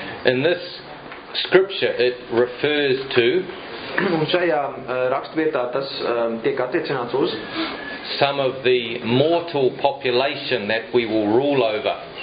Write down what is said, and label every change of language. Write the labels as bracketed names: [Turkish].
[English] In this scripture it refers to, [Latvian] un šajā rakstvietā tas tiek attiecināts uz [English] some of the mortal population that we will rule over.